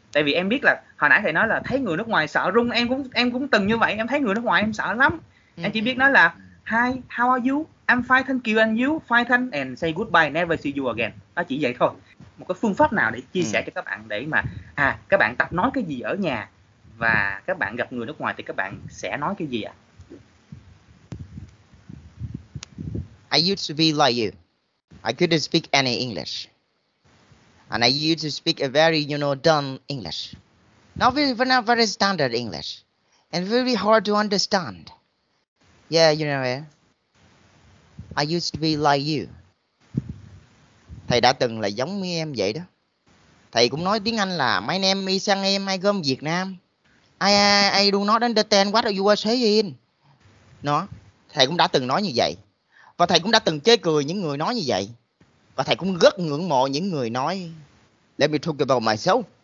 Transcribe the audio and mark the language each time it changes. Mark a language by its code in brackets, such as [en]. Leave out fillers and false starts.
[vi] Tại vì em biết là hồi nãy thầy nói là thấy người nước ngoài sợ run, em cũng từng như vậy, em thấy người nước ngoài em sợ lắm. Em chỉ biết nói là [en] Hi, how are you? I'm fine, thank you, and you? Fine, thank you, and say goodbye, never see you again. [vi] Nó chỉ vậy thôi. Một cái phương pháp nào để chia sẻ cho các bạn để mà à, các bạn tập nói cái gì ở nhà và các bạn gặp người nước ngoài thì các bạn sẽ nói cái gì ạ? [en] I used to be like you. I couldn't speak any English. And I used to speak a very, you know, dumb English. Not very standard English. And very hard to understand. Yeah, you know, I used to be like you. [vi] Thầy đã từng là giống như em vậy đó. Thầy cũng nói tiếng Anh là [en] my name is sang em, I come [vi] Việt Nam. [en] I do not understand what you are saying. [vi] Nó, thầy cũng đã từng nói như vậy. Và thầy cũng đã từng chê cười những người nói như vậy. Và thầy cũng rất ngưỡng mộ những người nói [en] let me talk about myself.